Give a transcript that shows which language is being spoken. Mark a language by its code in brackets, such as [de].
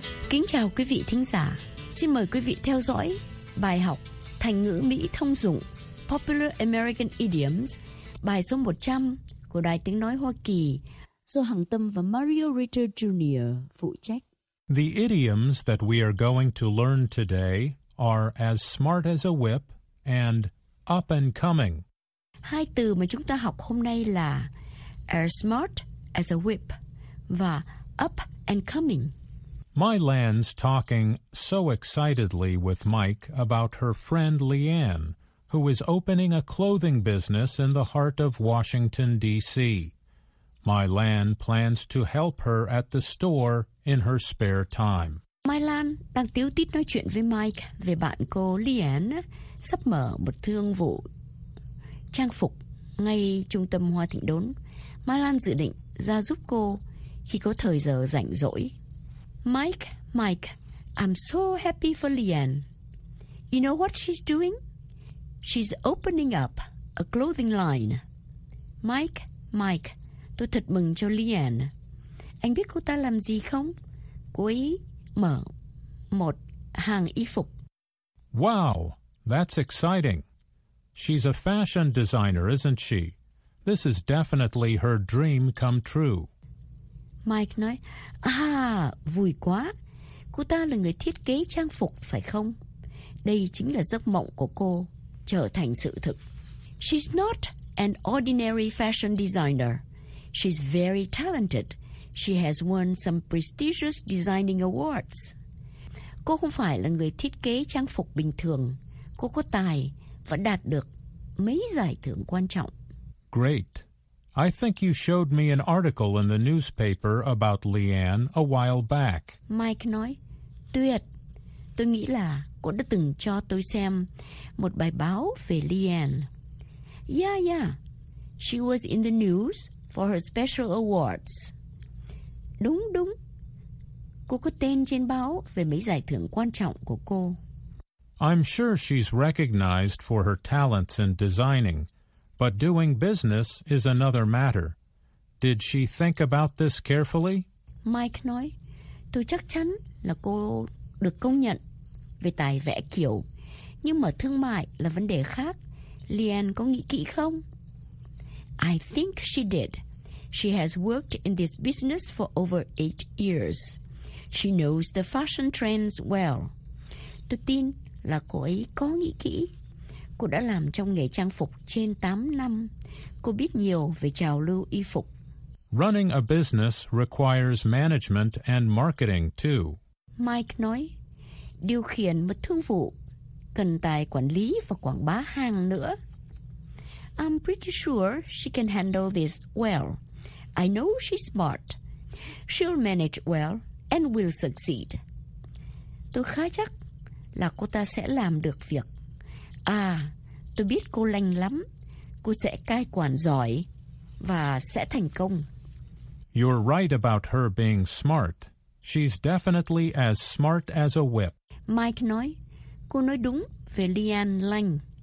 [vi] Kính chào quý vị thính giả. Xin mời quý vị theo dõi bài học thành ngữ Mỹ thông dụng [en] Popular American Idioms, [vi] bài số 100 của Đài Tiếng Nói Hoa Kỳ do Hằng Tâm và Mario Ritter Jr. phụ trách. [en] The idioms that we are going to learn today are as smart as a whip and up and coming. [vi] Hai từ mà chúng ta học hôm nay là [en] as smart as a whip [vi] và [en] up and coming. My Lan's talking so excitedly with Mike about her friend Leanne, who is opening a clothing business in the heart of Washington, D.C. My Lan plans to help her at the store in her spare time. [vi] My Lan đang tíu tít nói chuyện với Mike về bạn cô Leanne sắp mở một thương vụ trang phục ngay trung tâm Hoa Thịnh Đốn. My Lan dự định ra giúp cô khi có thời giờ rảnh rỗi. [en] Mike, I'm so happy for Leanne. You know what she's doing? She's opening up a clothing line. [vi] Mike, tôi thật mừng cho Leanne. Anh biết cô ta làm gì không? Cô ấy mở một hàng y phục. [en] Wow, that's exciting. She's a fashion designer, isn't she? This is definitely her dream come true. [vi] Mike nói, vui quá. Cô ta là người thiết kế trang phục, phải không? Đây chính là giấc mộng của cô, trở thành sự thực. [en] She's not an ordinary fashion designer. She's very talented. She has won some prestigious designing awards. [vi] Cô không phải là người thiết kế trang phục bình thường. Cô có tài và đạt được mấy giải thưởng quan trọng. [en] Great. I think you showed me an article in the newspaper about Leanne a while back. [vi] Mike nói, tuyệt. Tôi nghĩ là cô đã từng cho tôi xem một bài báo về Leanne. [en] Yeah. She was in the news for her special awards. [vi] Đúng. Cô có tên trên báo về mấy giải thưởng quan trọng của cô. [en] I'm sure she's recognized for her talents in designing. But doing business is another matter. Did she think about this carefully? [vi] Mike nói, tôi chắc chắn là cô được công nhận về tài vẽ kiểu. Nhưng mà thương mại là vấn đề khác. Leanne có nghĩ kỹ không? [en] I think she did. She has worked in this business for over 8 years. She knows the fashion trends well. [vi] Tôi tin là cô ấy có nghĩ kỹ. Cô đã làm trong nghề trang phục trên 8 năm. Cô biết nhiều về trào lưu y phục. [en] Running a business requires management and marketing too. [vi] Mike nói, điều khiển một thương vụ cần tài quản lý và quảng bá hàng nữa. [en] I'm pretty sure she can handle this well. I know she's smart. She'll manage well and will succeed. [vi] Tôi khá chắc là cô ta sẽ làm được việc. À, tôi biết cô lành lắm. Cô sẽ cai quản giỏi và sẽ thành công. [en] You're right about her being smart. She's definitely as smart as a whip. [vi] Mike nói, cô nói đúng về Leanne Lang.